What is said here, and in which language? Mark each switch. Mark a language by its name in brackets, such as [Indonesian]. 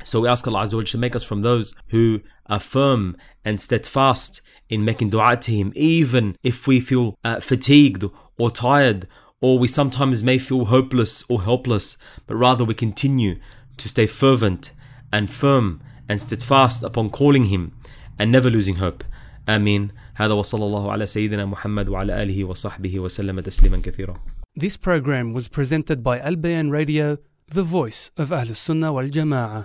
[English] So we ask Allah Azza wa Jalla to make us from those who are firm and steadfast in making dua to him, even if we feel fatigued or tired, or we sometimes may feel hopeless or helpless, but rather we continue to stay fervent and firm and steadfast upon calling him and never losing hope. Ameen. [Arabic] هذا وصلى الله على سيدنا محمد وعلى آله وصحبه وسلم تسليما كثيرا. [English] This program was presented by Al Bayan Radio, the voice of Ahlus Sunnah wal Jama'ah.